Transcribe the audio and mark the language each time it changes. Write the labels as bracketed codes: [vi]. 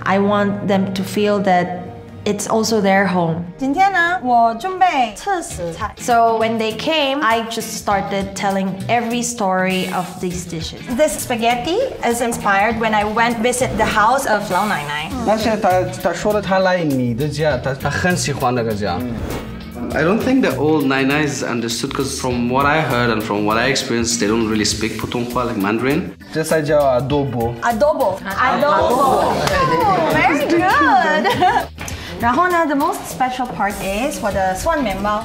[en] I want them to feel that it's also their home. [zh] 今天呢，我准备测试菜。 [en] So when they came, I just started telling every story of these dishes. This spaghetti is inspired when I went visit the house of [zh] 老奶奶。那现在他说了他来你的家，他很喜欢那个家。 [en] I don't think the old Nai Nais understood because from what I heard and from what I experienced, they don't really speak Putonghua, like Mandarin. This is called adobo. Adobo. Adobo. Very good. [zh] 然后呢, [en] the most special part is [zh] 我的蒜面包.